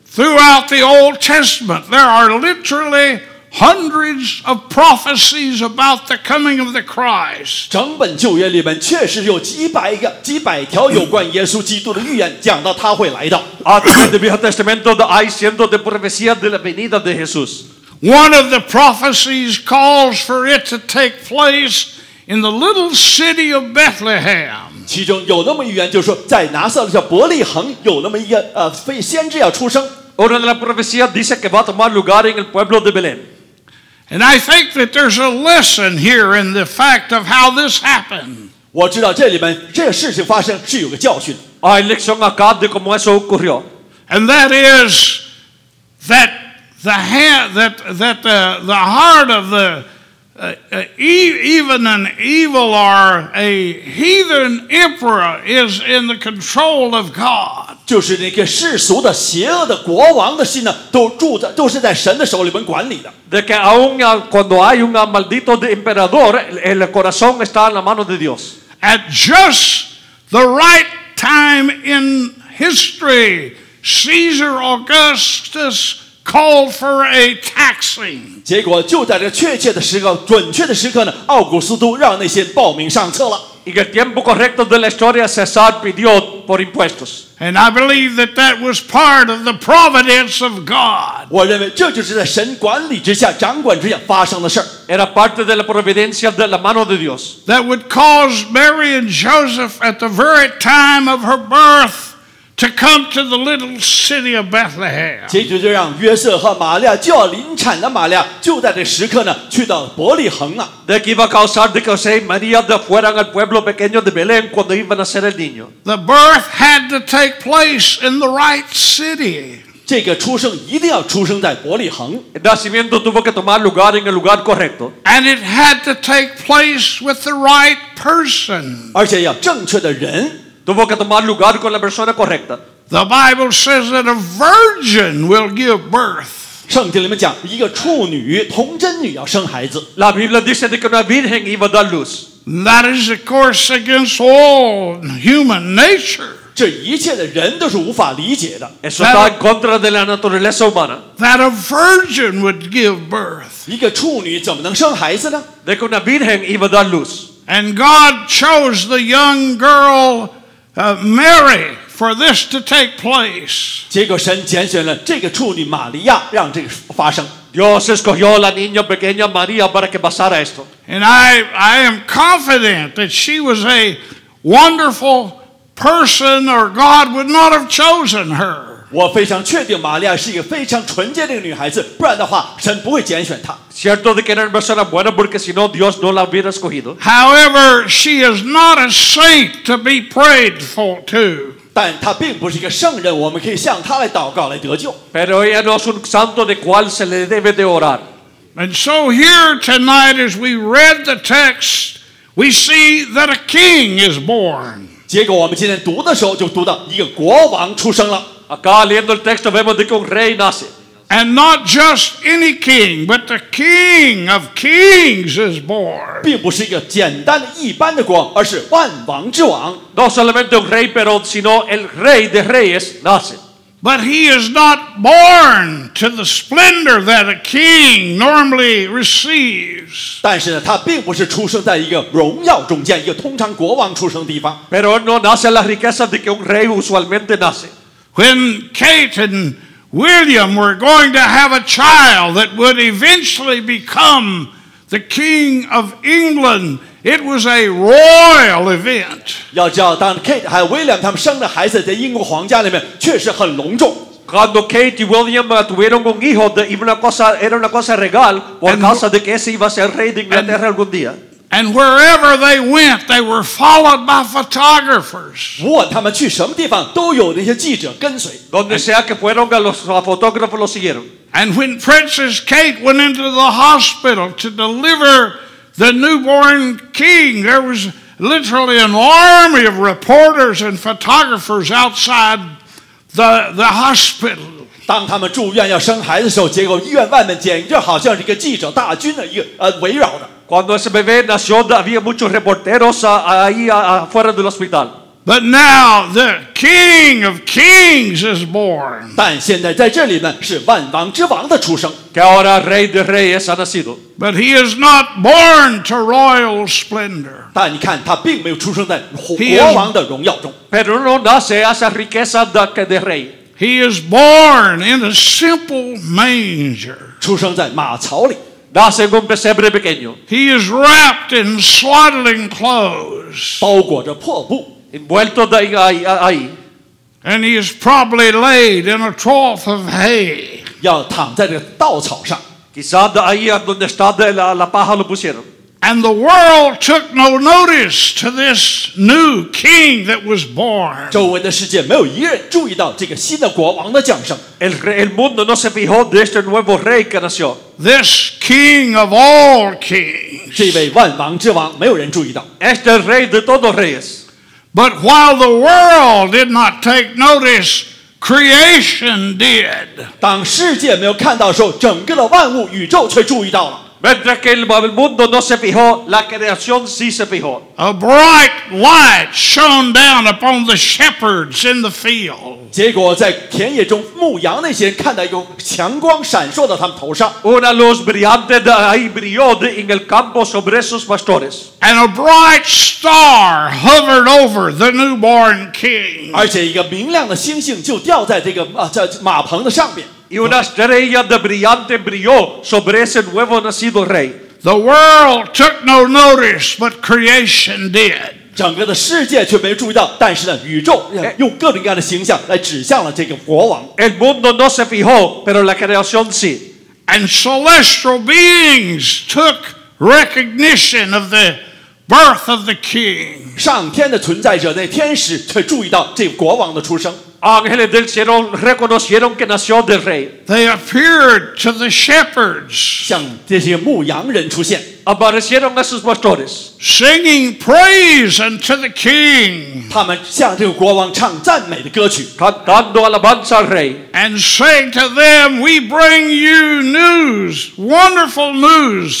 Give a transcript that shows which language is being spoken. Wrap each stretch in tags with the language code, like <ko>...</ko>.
<en>Throughout the Old Testament, there are literally hundreds of prophecies about the coming of the Christ.</en> <zh>整本旧约里面确实有几百条有关耶稣基督的预言，讲到他会来到。</zh> <en>In the Old Testament, there are</en> <es>cientos de profecías de la venida de Jesús.</es> <en>One of the prophecies calls for it to take place in the little city of Bethlehem.</en> <zh>其中有那么预言，就是说在拿撒勒叫伯利恒有那么一个非先知要出生。</zh> <es>Una de las profecías dice que va a tomar lugar en el pueblo de Belén.</es> <en>And I think that there's a lesson here in the fact of how this happened.</en> <zh>我知道这里面这事情发生是有个教训。</zh> <es>Hay lección acá de cómo eso ocurrió.</es> <en>And that is that the heart of the even an evil or a heathen emperor is in the control of God.</en> <zh>就是那个世俗的邪恶的国王的心呢，都是在神的手里面管理的。</zh> <es>De que aun cuando hay un maldito de emperador, el corazón está en la mano de Dios.</es> <en>At just the right time in history, Caesar Augustus called for a taxing.</en> <zh>结果就在这确切的时刻，准确的时刻呢，奥古斯都让那些报名上册了。</zh> <es>Y que el tiempo correcto de la historia César pidió por impuestos.</es> <en>And I believe that that was part of the providence of God.</en> <zh>我认为这就是在神管理之下、掌管之下发生的事。</zh> <es>Era parte de la providencia de la mano de Dios.</es> <en>That would cause Mary and Joseph at the very time of her birth to come to the little city of Bethlehem.</en> <zh>这就让约瑟和玛利亚就要临产的玛利亚就在这时刻呢去到伯利恒了。</zh> <es>De que iba a causar de que José y María fueran al pueblo pequeño de Belén cuando iban a ser el niño.</es> <en>The birth had to take place in the right city.</en> <zh>这个出生一定要出生在伯利恒。</zh> <es>El nacimiento tuvo que tomar lugar en el lugar correcto.</es> <en>And it had to take place with the right person.</en> <zh>而且要正确的人。</zh> <es>Tuvo que tomar lugar con la persona correcta.</es> <en>The Bible says that a virgin will give birth.</en> <zh>圣经里面讲，一个处女、童贞女要生孩子。</zh> <es>La Biblia dice que una virgen iba a dar luz.</es> <en>That is, of course, against all human nature.</en> <zh>这一切的人都是无法理解的。</zh> <es>Eso está en contra de la naturaleza humana.</es> <en>That a virgin would give birth.</en> <zh>一个处女怎么能生孩子呢？</zh> <es>De que una virgen iba a dar luz.</es> <en>And God chose the young girlMary, for this to take place.</en> <zh>结果神拣选了这个处女玛利亚，让这个发生。</zh> <es>Dios escogió la niña pequeña María para que pasara esto.</es> <en>And I am confident that she was a wonderful person, or God would not have chosen her.</en> <zh>我非常确定玛利亚是一个非常纯洁的女孩子，不然的话，神不会拣选她。</zh> <es>Cierto de que era una persona buena porque si no Dios no la hubiera escogido.</es> <en>However, she is not a saint to be prayed for to.</en> <zh>但她并不是一个圣人，我们可以向她来祷告来得救。</zh> <es>Pero ella no es un santo de cual se le debe de orar.</es> <en>And so here tonight, as we read the text, we see that a king is born.</en> <zh>结果我们今天读的时候就读到一个国王出生了。</zh> <es>Acá leyendo el texto vemos de que un rey nace.</es> <en>And not just any king, but the King of Kings is born.</en> <zh>并不是一个简单的一般的光，而是万王之王。</zh> <es>No solamente un rey, pero sino el rey de reyes nace.</es> <en>But he is not born to the splendor that a king normally receives.</en> <zh>但是呢，他并不是出生在一个荣耀中间，一个通常国王出生的地方。</zh> <es>Pero no nace la riqueza de que un rey usualmente nace.</es> <en>When Kate andWilliam were going to have a child that would eventually become the King of England. It was a royal event.</en> <zh>要知道，当 Kate 还有 William 他们生的孩子在英国皇家里面确实很隆重。</zh> <es>Cuando Kate y William tuvieron un hijo, era una cosa regal por causa de que ese iba a ser rey de Inglaterra algún día.</es> <en>And wherever they went, they were followed by photographers.</en> <zh>无论他们去什么地方，都有那些记者跟随。</zh> <es>Donde sea que fueron, los fotógrafos los siguieron.</es> <en>And when Princess Kate went into the hospital to deliver the newborn king, there was literally an army of reporters and photographers outside the hospital.</en> <zh>当他们住院要生孩子的时候，结果医院外面简直好像是一个记者大军的一个围绕的。</zh> <es>Cuando ese bebé nació, había muchos reporteros ahí afuera del hospital.</es> <en>But now the King of Kings is born.</en> <zh>但现在在这里呢，是万王之王的出生。</zh> <es>Que ahora rey de reyes ha nacido.</es> <en>But he is not born to royal splendor.</en> <zh>但你看，他并没有出生在国王的荣耀中。</zh> <es>Pero no nace a esa riqueza de rey.</es> <en>He is born in a simple manger.</en> <zh>出生在马槽里。</zh> <es>Nace en un pesebre pequeño.</es> <en>He is wrapped in swaddling clothes.</en> <zh>包裹着破布</zh> <es>envuelto de ahí.</es> <en>And he is probably laid in a trough of hay.</en> <zh>要躺在这个稻草上</zh> <es>quizá de ahí donde está de la paja lo pusieron.</es> <en>And the world took no notice to this new king that was born.</en> <zh>周围的世界没有一人注意到这个新的国王的降生</zh> <es>el mundo no se fijó de este nuevo rey que nació.</es> <en>This king of all kings.</en> <zh>这位万王之王没有人注意到。</zh> <es>Este rey de todos reyes.</es> <en>But while the world did not take notice, creation did.</en> <zh>当世界没有看到的时候，整个的万物宇宙却注意到了。</zh> <es>Mientras que el mundo no se fijó, la creación sí se fijó.</es> <en>A bright light shone down upon the shepherds in the field.</en> <zh>结果在田野中牧羊那些看到有强光闪烁到他们头上。</zh> <es>Una luz brillante de ahí brilló en el campo sobre sus pastores.</es> <en>And a bright star hovered over the newborn king.</en> <zh>而且一个明亮的星星就掉在这个在马棚的上面。</zh> <es>Y una estrella de brillante brilló sobre ese nuevo nacido rey.</es> <en>The world took no notice, but creation did.</en> <zh>整个的世界却没注意到，但是呢，宇宙用各种各样的形象来指向了这个国王。</zh> <es>El mundo no se fijó, pero la creación sí.</es> <en>And celestial beings took recognition of the birth of the king.</en> <zh>上天的存在者，那天使却注意到这个国王的出生。</zh> <es>Ángeles del cielo reconocieron que nació del rey.</es> <en>They appeared to the shepherds.</en> <zh>向这些牧羊人出现。</zh> <es>Aparecieron a sus pastores.</es> <en>Singing praise unto the king.</en> <zh>他们向这个国王唱赞美的歌曲。</zh> <es>Cantando alabanza al rey.</es> <en>And saying to them, "We bring you news, wonderful news.</en>